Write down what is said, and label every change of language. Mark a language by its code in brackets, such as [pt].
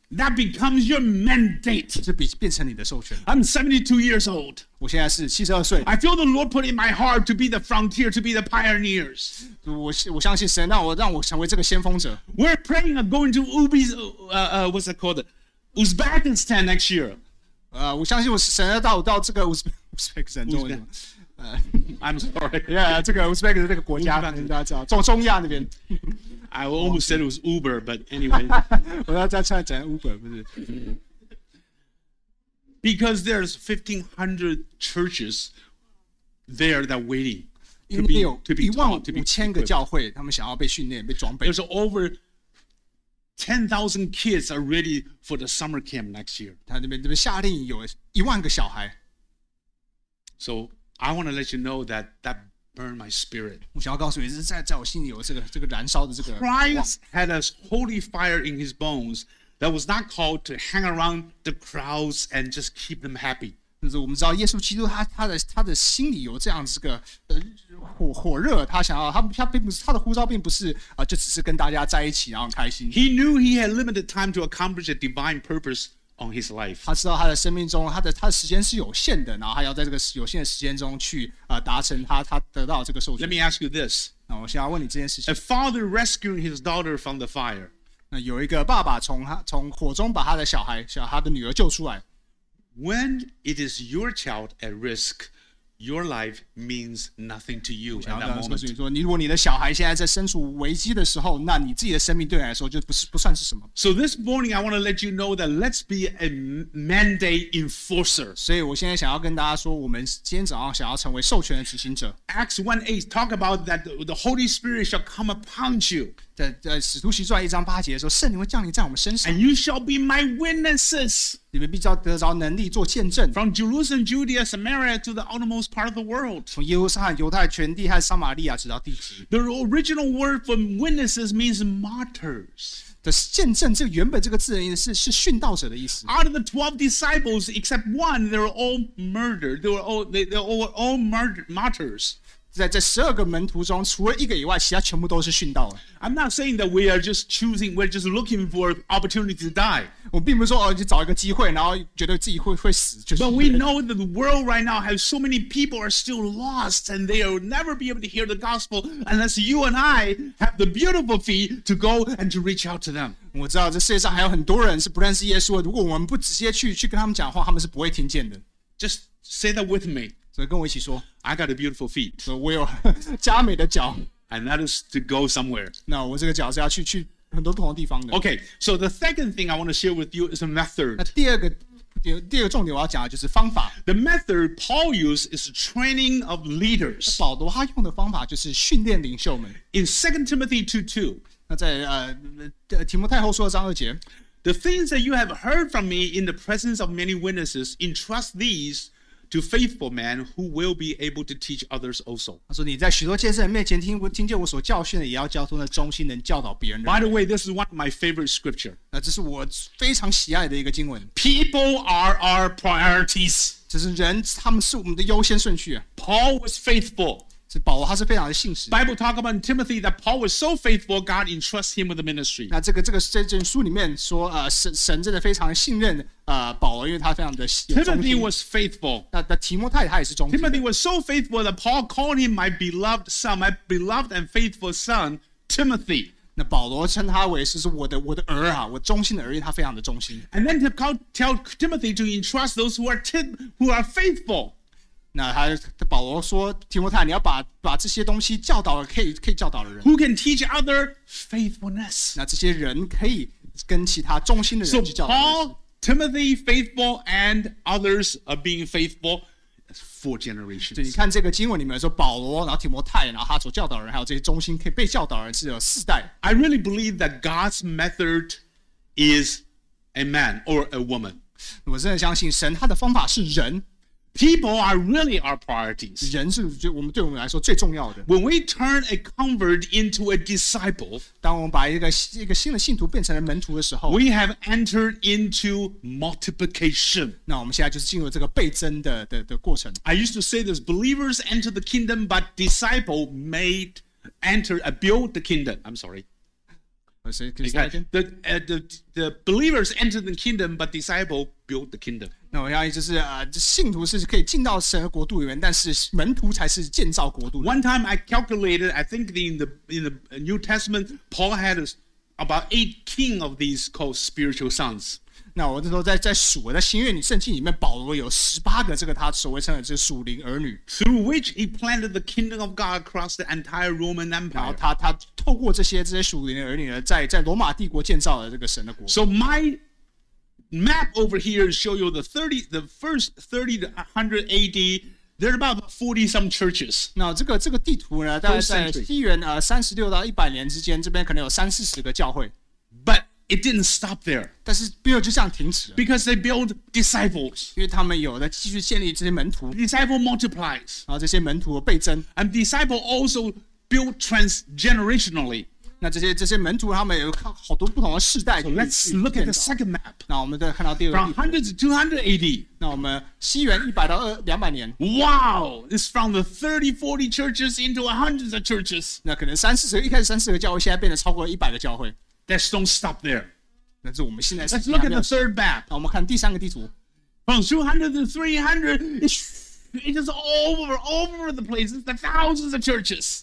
[en] That becomes your mandate. [zh] 这变成你的授权。 [en] I'm 72 years old. [zh] 我现在是72岁。 [en] I feel the Lord put in my heart to be the frontier, to be the pioneers. [zh] 我相信神让我成为这个先锋者。 [en] We're praying of going to what's it called? Uzbekistan next year. [zh] 我相信我神要到这个 Uzbekistan 中文。 [en] I'm sorry. [zh] Yeah, 这个 Uzbekistan 这个国家，大家知道，中亚那边。 [en] I almost said it was Uber, but anyway. [zh] 我要再唱一讲 Uber 不是。 [en] Because there's 1,500 churches there that waiting to be taught, to be equipped. [zh] 教会他们想要被训练、被装备。 [en] There's over 10,000 kids are ready for the summer camp next year. [zh] 他那边夏令营有10,000个小孩。 [en] So I want to let you know that burned my spirit. [zh] 我想要告诉你，在我心里有这个燃烧的这个。 [en] Christ had a holy fire in his bones that was not called to hang around the crowds and just keep them happy. [zh] 就是我们知道耶稣基督他的心里有这样子个火热，他想要他并不是他的呼召并不是就只是跟大家在一起然后开心。 [en] He knew he had limited time to accomplish a divine purpose. On his life. [zh] 他知道他的生命中他的时间是有限的然后他要在这个有限的时间中去达成他得到这个授权。 [en] Let me ask you this. [zh] 那我想要问你这件事情。 [en] A father rescuing his daughter from the fire. [zh] 那有一个爸爸从火中把他的女儿救出来。 [en] When it is your child at risk, your life means nothing to you at that moment. [zh] 我想要告诉你说，如果你的小孩现在在身处危机的时候，那你自己的生命对你来说就不算是什么。 [en] So this morning, I want to let you know that let's be a mandate enforcer. [zh] 所以我现在想要跟大家说，我们今天早上想要成为授权的执行者。 [en] Acts 1:8 talk about that the Holy Spirit shall come upon you. [zh] 在使徒行传1:8说，圣灵会降临在我们身上。 [en] And you shall be my witnesses. [zh] 你们必须要得着能力做见证。 [en] From Jerusalem, Judea, Samaria to the outermost part of the world. [zh] 从耶路撒冷、犹太全地和撒玛利亚直到地极。 [en] The original word for witnesses means martyrs. [zh] 的见证，这原本这个字的意思是殉道者的意思。 [en] Out of the 12 disciples, except one, they were all murdered. They were all martyrs. [zh] 在十二个门徒中，除了一个以外，其他全部都是殉道了。 [en] I'm not saying that we are just choosing, we're just looking for opportunity to die. [zh] 我并不是说去找一个机会，然后觉得自己会死。就是、 [en] But we know that the world right now has so many people are still lost, and they will never be able to hear the gospel unless you and I have the beautiful feet to go and to reach out to them. [zh] 我知道这世界上还有很多人是不认识耶稣的。如果我们不直接去跟他们讲话，他们是不会听见的。 [en] Just say that with me. [zh] 所以跟我一起说 [en] ，I got a beautiful feet. [zh] 所以我有佳美的脚 [en] ，and that is to go somewhere. [zh] 那我这个脚是要去很多不同的地方的。 [en] Okay, so the second thing I want to share with you is a method. [zh] 那第二个第二个重点我要讲的就是方法。 [en] The method Paul used is training of leaders. [zh] 保罗他用的方法就是训练领袖们。 [en] In 2 Timothy 2:2, [zh] 那在提摩太后书的章二节。 [en] The things that you have heard from me in the presence of many witnesses, entrust these to faithful men who will be able to teach others also. [zh] 他说你在许多见证人面前听见我所教训的，也要教出那忠心能教导别人的。 [en] By the way, this is one of my favorite scripture. [zh] 那这是我非常喜爱的一个经文。 [en] People are our priorities. [zh] 这是人，他们是我们的优先顺序。 [en] Paul was faithful. [zh] 是保罗，他是非常的信实。 [en] Bible talk about Timothy that Paul was so faithful, God entrusted him with the ministry. [zh] 那这个圣书里面说，神真的非常信任保罗，因为他非常的忠心。 [en] Timothy was faithful. [zh] 那提摩太他也是忠心。 [en] Timothy was so faithful that Paul called him my beloved son, my beloved and faithful son, Timothy. [zh] 那保罗称他为是我的儿啊，我忠心的儿，因为他非常的忠心。 [en] And then tell Timothy to entrust those who are faithful. [zh] 那他保罗说提摩太，你要把这些东西教导可以教导的人。 [en] Who can teach other faithfulness？ [zh] 那这些人可以跟其他忠心的人去教导。 [en] So Paul, Timothy, faithful, and others are being faithful. Four generations. [zh] 对，你看这个经文里面说保罗，然后提摩太，然后他所教导的人，还有这些忠心可以被教导的人是有四代。 [en] I really believe that God's method is a man or a woman. [zh] 我真的相信神他的方法是人。 [en] People are really our priorities. [zh] 人是对我们来说最重要的。 [en] When we turn a convert into a disciple, [zh] 当我们把一个新的信徒变成了门徒的时候， [en] we have entered into multiplication. [zh] 那我们现在就是进入这个倍增的过程。 [en] I used to say this: believers enter the kingdom, but disciple made enter a build the kingdom. I'm sorry. The believers enter the kingdom, but disciples build the kingdom. [zh] 那我要就是信徒是可以进到神的国度里面，但是门徒才是建造国度。 [en] One time I calculated, I think in the New Testament, Paul had about 18 of these called spiritual sons. [zh] 那我那时候在数，在新约圣经里面，保罗有18个这个他所谓称的这属灵儿女 [en] ，through which he planted the kingdom of God across the entire Roman Empire. [zh] 然后他透过这些属灵的儿女呢，在罗马帝国建造了这个神的国。 [en] So my map over here show you the first 30 to 100 AD, there are about 40 some churches. [zh] 那这个地图呢，大概在西元36到100年之间，这边可能有三四十个教会。 [en] But it didn't stop there. [zh] 但是没有就这样停止。 [en] Because they build disciples. [zh] 因为他们有的继续建立这些门徒。 [en] Disciple multiplies. [zh] 然后这些门徒倍增。 [en] And disciple also. Built transgenerationally. [zh] 那这些门徒他们有好多不同的世代。 [en] So let's look at the second map. [zh] 那我们再看到第二个。 [en] From 100 to 200 AD. [zh] 那我们西元100到200年。 [en] Wow! It's from the 30, 40 churches into hundreds of churches. [zh] 那可能一开始三四个教会，现在变成超过100个教会。 [en] Let's don't stop there. [zh] 那是我们现在。 [en] Let's look at the third map. [zh] 那我们看第三个地图。 [en] From 200 to 300, It is all over the place. It's the thousands of churches.